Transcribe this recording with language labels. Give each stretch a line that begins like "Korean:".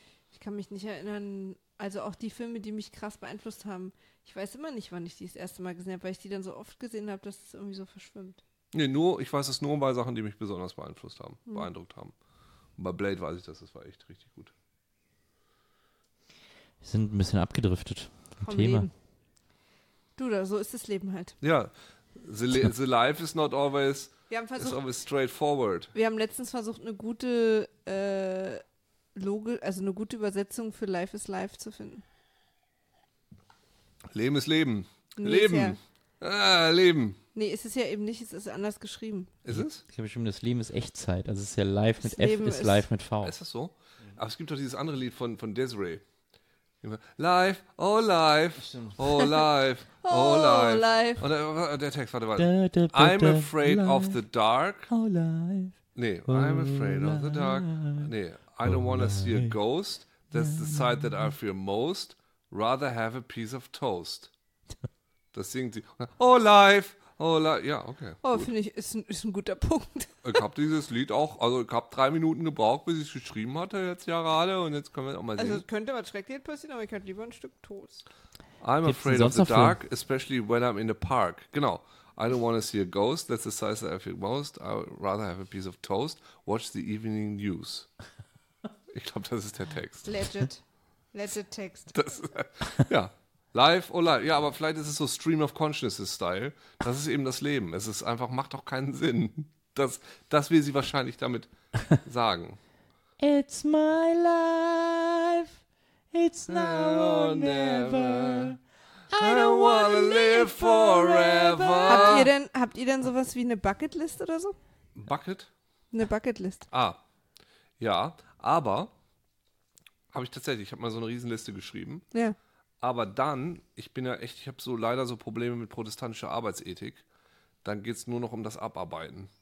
German: Ich kann mich nicht erinnern, also auch die Filme, die mich krass beeinflusst haben, ich weiß immer nicht, wann ich die das erste Mal gesehen habe, weil ich die dann so oft gesehen habe, dass es irgendwie so verschwimmt. Nee, nur, ich weiß es nur bei Sachen, die mich besonders beeinflusst haben, beeindruckt haben. Und bei Blade weiß ich das, das war echt richtig gut. Wir sind ein bisschen abgedriftet vom Thema. Leben. Du, da, so ist das Leben halt.
English: Ja, the life is not always,
German: wir haben versucht,
English: is always straightforward.
German: Wir haben letztens versucht, eine gute eine gute Übersetzung für
English: life is life
German: zu finden. Leben ist Leben. Nee, Leben. Leben. Nee, ist es ja eben nicht, es ist anders geschrieben. Ist es? Ich habe geschrieben, das Leben ist Echtzeit. Also es ist ja live das mit Leben F, ist live mit V. Ist das so? Aber es gibt doch dieses andere Lied von Desiree.
English: Live, oh live, oh live, oh live.
German: Und der Text, warte, warte.
English: I'm afraid of the dark. Oh live. Nee, I'm afraid of the dark. Nee, I don't want to see a ghost. That's the sight that I fear most. Rather have a piece of toast.
German: Das singt sie.
English: Oh live, oh live.
German: Ja, okay. Oh, finde ich, ist ein guter Punkt. Ich habe dieses Lied auch, also ich habe 3 Minuten gebraucht, bis ich es geschrieben hatte jetzt ja gerade. Und jetzt können wir auch mal sehen. Also es könnte was Schreckliches passieren, aber ich hätte lieber ein Stück Toast.
English: I'm afraid of the dark, especially when I'm in the park. Genau. I don't want to see a ghost. That's the size that I feel most. I would rather have a piece of toast. Watch the evening news.
German: Ich glaube, das ist der Text. Legit Text. Das, ja.
English: Live, oh live.
German: Ja, aber vielleicht ist es so Stream of Consciousness-Style. Das ist eben das Leben. Es ist einfach, macht doch keinen Sinn. Das will sie wahrscheinlich damit sagen.
English: It's my life. It's now or never. I don't wanna live forever.
German: Habt ihr denn sowas wie eine Bucketlist oder so? Bucket? Eine Bucketlist. Ah, ja, aber habe ich tatsächlich, ich habe mal so eine Riesenliste geschrieben. Ja. Aber dann, ich bin ja echt, ich habe so leider so Probleme mit protestantischer Arbeitsethik, dann geht es nur noch um das Abarbeiten.